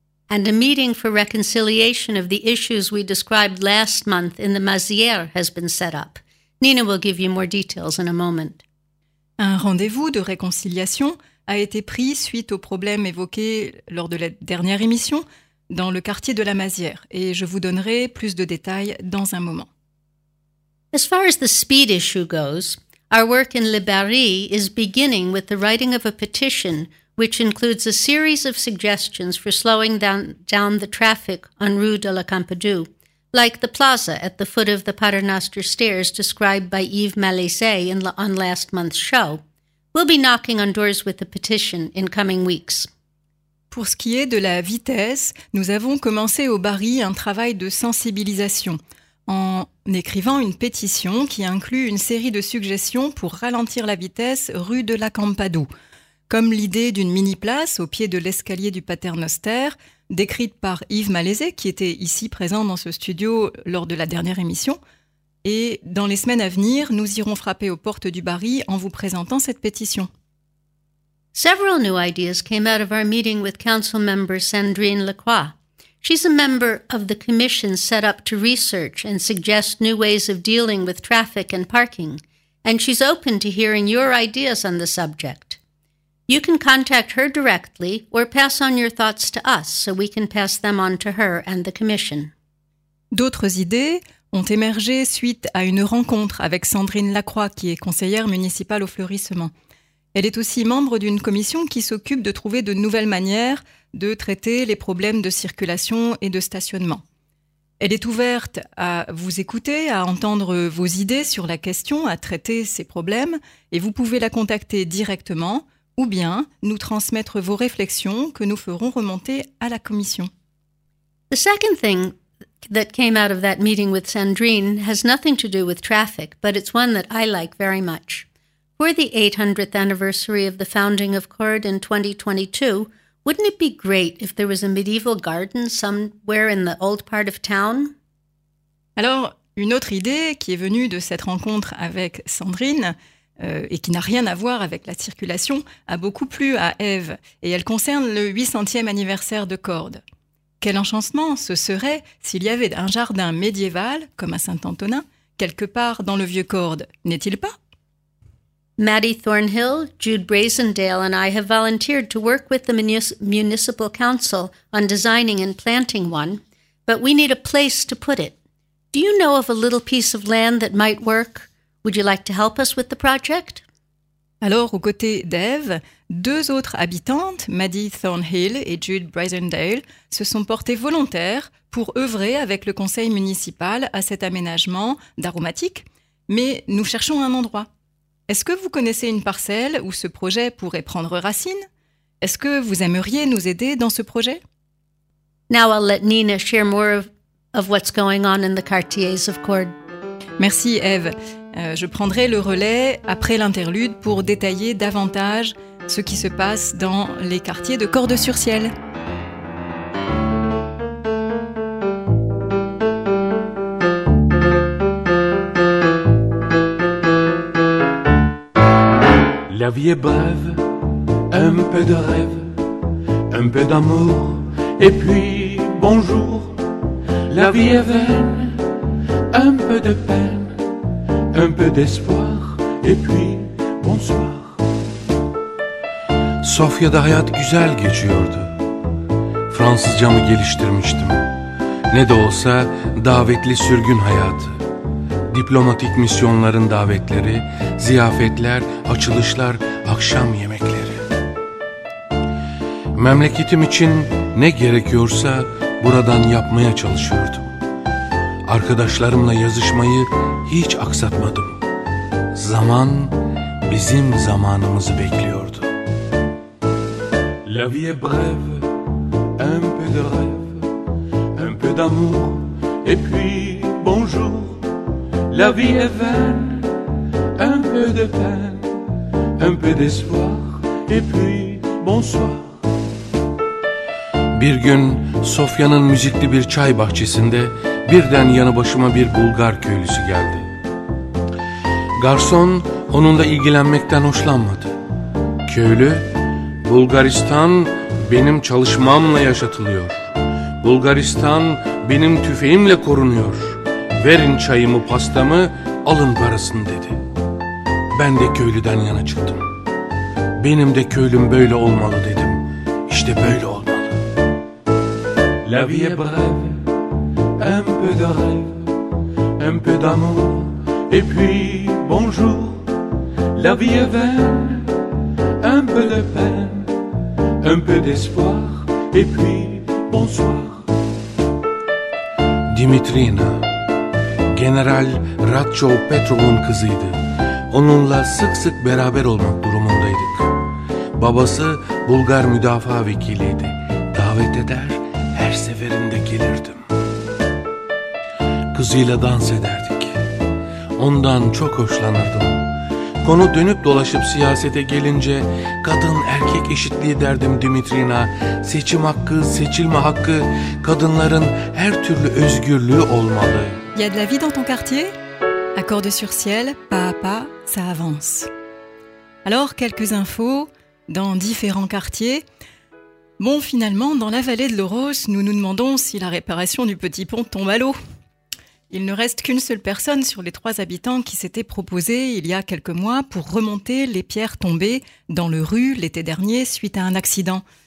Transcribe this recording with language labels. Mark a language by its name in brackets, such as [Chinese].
[English] And a meeting for reconciliation of the issues we described last month in the Mazière has been set up. Nina will give you more details in a moment. [French] Un rendez-vous de réconciliation a été pris suite aux problèmes évoqués lors de la dernière émission dans le quartier de la Mazière, et je vous donnerai plus de détails dans un moment. [English] As far as the speed issue goes, our work in Le Barry is beginning with the writing of a petition which includes a series of suggestions for slowing down the traffic on Rue de la Campadou, like the plaza at the foot of the Paternoster stairs described by Yves Malaiset on last month's show. We'll be knocking on doors with the petition in coming weeks. [French] Pour ce qui est de la vitesse, nous avons commencé au Barry un travail de sensibilisation en écrivant une pétition qui inclut une série de suggestions pour ralentir la vitesse rue de la Campadou, comme l'idée d'une mini-place au pied de l'escalier du Paternoster, décrite par Yves Malaiset, qui était ici présent dans ce studio lors de la dernière émission. Et dans les semaines à venir, nous irons frapper aux portes du Barry en vous présentant cette pétition. [English] Several new ideas came out of our meeting with council member Sandrine Lacroix. She's a member of the commission set up to research and suggest new ways of dealing with traffic and parking, and she's open to hearing your ideas on the subject. You can contact her directly or pass on your thoughts to us so we can pass them on to her and the commission. [French] D'autres idées ont émergé suite à une rencontre avec Sandrine Lacroix, qui est conseillère municipale au fleurissement. Elle est aussi membre d'une commission qui s'occupe de trouver de nouvelles manières de traiter les problèmes de circulation et de stationnement. Elle est ouverte à vous écouter, à entendre vos idées sur la question, à traiter ces problèmes, et vous pouvez la contacter directement ou bien nous transmettre vos réflexions que nous ferons remonter à la commission. [English] The second thing that came out of that meeting with Sandrine has nothing to do with traffic, but it's one that I like very much. For the 800th anniversary of the founding of Cord in 2022, wouldn't it be great if there was a medieval garden somewhere in the old part of town? [French] Alors, une autre idée qui est venue de cette rencontre avec Sandrine et qui n'a rien à voir avec la circulation a beaucoup plu à Eve, et elle concerne le 800e anniversaire de Cord. Quel enchantement ce serait s'il y avait un jardin médiéval, comme à Saint-Antonin, quelque part dans le vieux Cord, n'est-il pas? [English] Maddie Thornhill, Jude Brazendale and I have volunteered to work with the municipal council on designing and planting one, but we need a place to put it. Do you know of a little piece of land that might work? Would you like to help us with the project? [French] Alors, aux côtés d'Eve, deux autres habitantes, Maddie Thornhill et Jude Brazendale, se sont portées volontaires pour œuvrer avec le conseil municipal à cet aménagement d'aromatique, mais nous cherchons un endroit. Est-ce que vous connaissez une parcelle où ce projet pourrait prendre racine? Est-ce que vous aimeriez nous aider dans ce projet? [English] Now I'll let Nina share more of what's going on in the quartiers of Cord. [French] Merci Eve. Je prendrai le relais après l'interlude pour détailler davantage ce qui se passe dans les quartiers de Cordes-sur-Ciel. La vie est brève, un peu de rêve, un peu d'amour, et puis bonjour. La vie est vaine, un peu de peine, un peu d'espoir, et puis bonsoir. [Turkish] Sofya da hayat güzel geçiyordu. Fransızcamı geliştirmiştim. Ne de olsa davetli sürgün hayatı. Diplomatik misyonların davetleri, ziyafetler, açılışlar, akşam yemekleri. Memleketim için ne gerekiyorsa buradan yapmaya çalışıyordum. Arkadaşlarımla yazışmayı hiç aksatmadım. Zaman bizim zamanımızı bekliyordu. [French] La vie est brève, un peu de rêve, un peu d'amour, et puis bonjour. La vie est vaine, un peu de peine, un peu d'espoir, et puis bonsoir. [Turkish] Bir gün Sofya'nın müzikli bir çay bahçesinde birden yanı başıma bir Bulgar köylüsü geldi. Garson onunla ilgilenmekten hoşlanmadı. Köylü, Bulgaristan benim çalışmamla yaşatılıyor. Bulgaristan benim tüfeğimle korunuyor. Verin çayımı, pastamı, alın parasını dedi. Ben de köylüden yana çıktım. Benim de köylüm böyle olmalı dedim. İşte böyle olmalı. [French] La vie est brève, un peu de rêve, un peu d'amour, et puis bonjour. La vie est vaine, un peu de peine, un peu d'espoir, et puis bonsoir. [Turkish] Dimitrina, General Radcho Petrov'un kızıydı. Onunla sık sık beraber olmak durumundaydık. Babası Bulgar müdafaa vekiliydi. Davet eder, her seferinde gelirdim. Kızıyla dans ederdik. Ondan çok hoşlanırdım. Konu dönüp dolaşıp siyasete gelince, kadın erkek eşitliği derdim Dimitrina. Seçim hakkı, seçilme hakkı, kadınların her türlü özgürlüğü olmalı. [French] Y a de la vie dans ton quartier? Accorde sur ciel, pas à pas, ça avance. Alors, quelques infos, dans différents quartiers. Bon, finalement, dans la vallée de l'Oros, nous nous demandons si la réparation du petit pont tombe à l'eau. Il ne reste qu'une seule personne sur les trois habitants qui s'étaient proposés il y a quelques mois pour remonter les pierres tombées dans le rue l'été dernier suite à un accident.